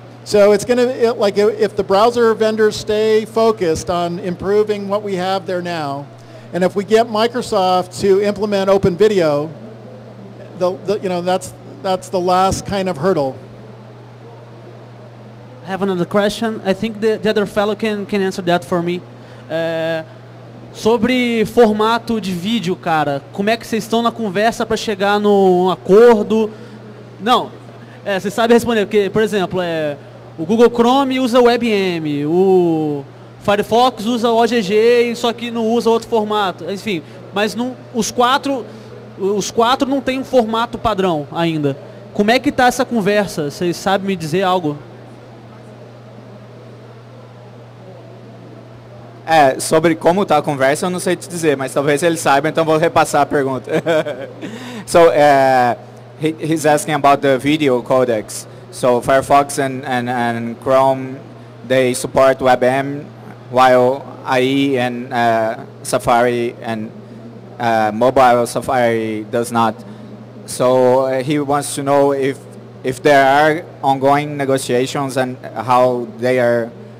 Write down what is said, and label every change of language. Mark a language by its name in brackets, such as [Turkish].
[English] So it's going to, if the browser vendors stay focused on improving what we have there now, and if we get Microsoft to implement open video, that's the last kind of hurdle. I have another question. I think the other fellow can answer that for me. [Portuguese] Sobre formato de vídeo, cara. Como é que vocês estão na conversa para chegar num acordo? Não, você sabe responder, porque, por exemplo, o Google Chrome usa WebM, o Firefox usa OGG, só que não usa outro formato. Enfim, mas não, os quatro não têm um formato padrão ainda. Como é que está essa conversa? Vocês sabem me dizer algo? É, sobre como está a conversa, eu não sei te dizer, mas talvez ele saiba, então vou repassar a pergunta. [English] So, he's asking about the video codecs. So Firefox and Chrome, they support WebM, while IE and Safari and mobile Safari does not. So he wants to know if there are ongoing negotiations and how they are